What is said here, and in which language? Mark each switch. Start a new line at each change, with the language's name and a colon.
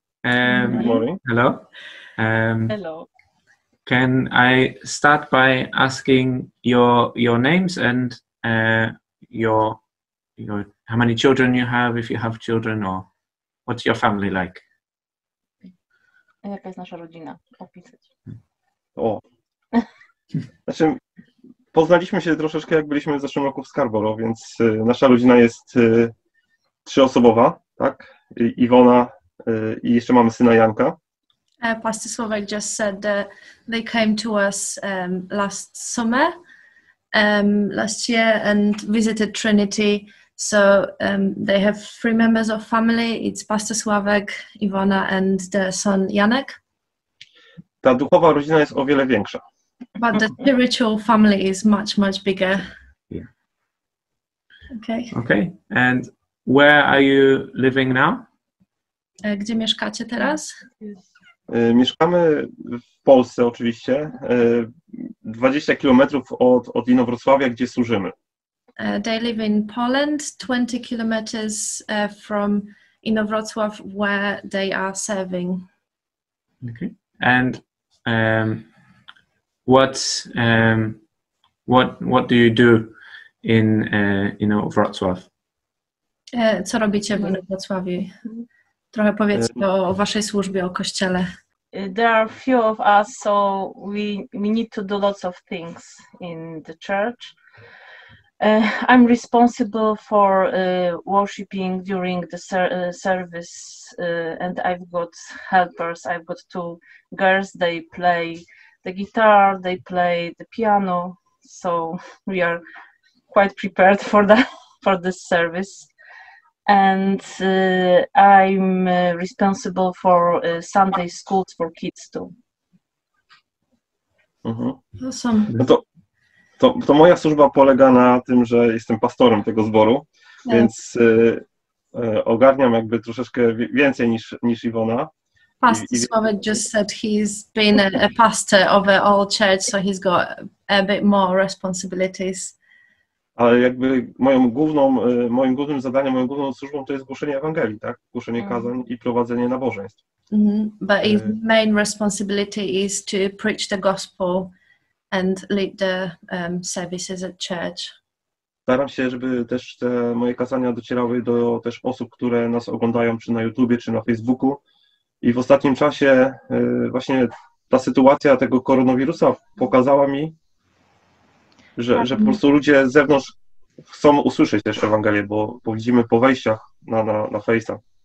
English: Good morning. Hello. Hello. Can I start by asking your names and your how many children you have, if you have children, or what's your family like?
Polish: Jaka jest nasza rodzina? Opisać. O. Znaczy, poznaliśmy się troszeczkę, jak byliśmy w zeszłym roku w Scarborough, więc nasza rodzina jest trzyosobowa, tak? Iwona i jeszcze mamy syna Janka.
English: Pastor Słowek just said that they came to us last summer, last year, and visited Trinity. So they have three members of family. It's Pastor Słowek, Iwona and their son Janek.
Polish: Ta duchowa rodzina jest o wiele większa.
English: But the spiritual family is much, much bigger. Yeah. Okay. Okay. And where are you living now?
Polish: Gdzie mieszkacie teraz? Mieszkamy w Polsce oczywiście, 20 kilometrów od Inowrocławia, gdzie służymy.
English: They live in Poland, 20 kilometers from Inowrocław, where they are serving. Okay. And what do you do in Inowrocław?
Polish: Co robicie w Inowrocławiu? Trochę powiedzcie o waszej służbie, o kościele.
English: There are a few of us, so we need to do lots of things in the church. I'm responsible for worshiping during the service, and I've got helpers. I've got two girls. They play the guitar, they play the piano, so we are quite prepared for that, for this service. And I'm responsible for Sunday schools for kids too. Mm-hmm. Awesome.
Polish: No to moja służba polega na tym, że jestem pastorem tego zboru, yes. Więc ogarniam jakby troszeczkę więcej niż Iwona.
English: Pastor Słowek just said he's been a pastor of an old church, so he's got a bit more responsibilities.
Polish: Ale jakby moim głównym zadaniem, moją główną służbą to jest głoszenie Ewangelii, tak? Głoszenie kazań i prowadzenie nabożeństw. Mm-hmm.
English: But his main responsibility is to preach the gospel and lead the services at church.
Polish: Staram się, żeby też te moje kazania docierały do też osób, które nas oglądają czy na YouTubie, czy na Facebooku. I w ostatnim czasie właśnie ta sytuacja tego koronawirusa pokazała mi, że po prostu ludzie z zewnątrz chcą usłyszeć też Ewangelię, bo widzimy po wejściach na Face'a.